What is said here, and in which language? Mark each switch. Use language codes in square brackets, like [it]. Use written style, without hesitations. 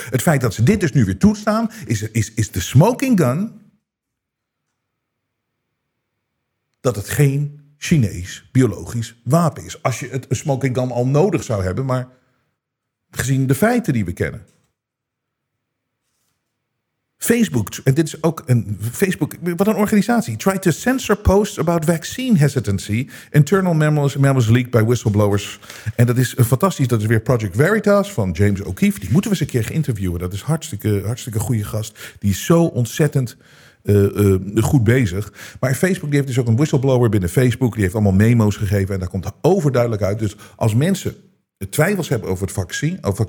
[nl] Het feit dat ze dit dus nu weer toestaan, is de smoking gun dat het geen Chinees biologisch wapen is. Als je het een smoking gun al nodig zou hebben, maar gezien de feiten die we kennen. Facebook, en dit is ook een Facebook, wat een organisatie. [en] Try to censor posts about vaccine hesitancy. Internal memos leaked by whistleblowers. [nl] En dat is fantastisch. Dat is weer Project Veritas van James O'Keefe. Die moeten we eens een keer interviewen. Dat is hartstikke goede gast. Die is zo ontzettend goed bezig. Maar Facebook die heeft dus ook een whistleblower binnen Facebook. Die heeft allemaal memo's gegeven. En daar komt overduidelijk uit. Dus als mensen twijfels hebben over het vaccin...